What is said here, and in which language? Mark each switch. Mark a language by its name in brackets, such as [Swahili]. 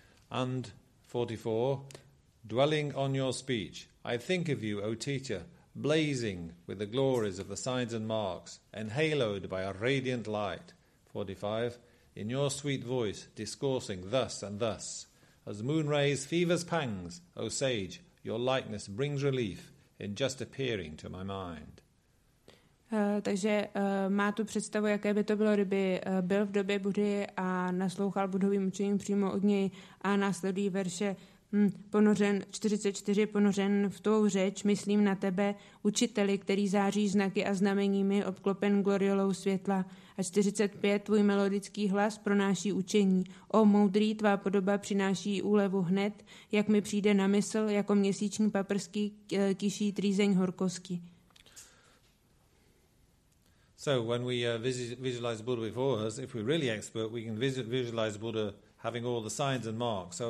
[English] And 44, dwelling on your speech, I think of you, O teacher, blazing with the glories of the signs and marks, enhaloed by a radiant light. 45, in your sweet voice, discoursing thus and thus, as moon rays fever's pangs, O sage, your likeness brings relief in just appearing to my mind. [Czech] Takže má tu představu, jaké by to bylo, kdyby byl v době Buddhy a naslouchal buddhovým učením přímo od něj a následují verše ponořen 44, ponořen v tou řeč, myslím na tebe, učiteli, který září znaky a znameními, obklopen gloriolou světla. A 45, tvůj melodický hlas pronáší učení. O moudrý, tvá podoba přináší úlevu hned, jak mi přijde na mysl, jako měsíční paprsky kyší trýzeň horkosti. [English] So when we visualize Buddha before us, if we're really expert, we can visualize Buddha having all the signs and marks.